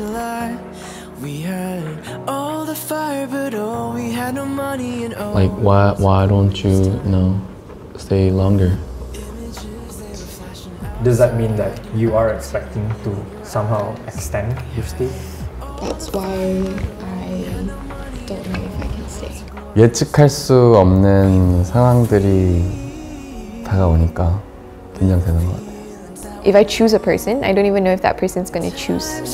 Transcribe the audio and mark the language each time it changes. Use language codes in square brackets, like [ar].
[en] Like, why don't you, stay longer? Does that mean that you are expecting to somehow extend your stay? That's why I don't know if I can stay. [ko] 예측할 수 없는 상황들이 다가오니까 긴장되는 것 같아요. [en] If I choose a person, I don't even know if that person's gonna choose.